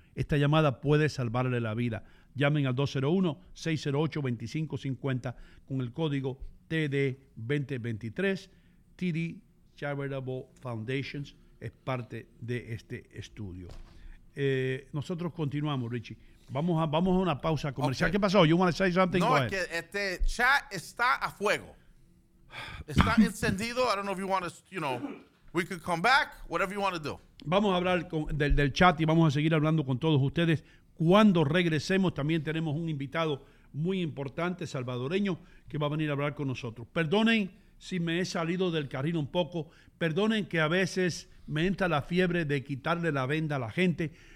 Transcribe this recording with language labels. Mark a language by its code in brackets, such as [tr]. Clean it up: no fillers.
[es] Esta llamada puede salvarle la vida. Llamen al 201-608-2550 con el código TD2023, TD Charitable Foundations. es parte de este estudio. Nosotros continuamos, Richie. Vamos a una pausa comercial. Okay. ¿Qué pasó? [en] You want to say something? [es] No, es que este chat está a fuego. Está encendido. [en] I don't know if you want to, you know, we could come back, whatever you want to do. [es] Vamos a hablar del chat y vamos a seguir hablando con todos ustedes. Cuando regresemos, también tenemos un invitado muy importante, salvadoreño, que va a venir a hablar con nosotros. Perdonen si me he salido del carril un poco. Perdonen que a veces me entra la fiebre de quitarle la venda a la gente.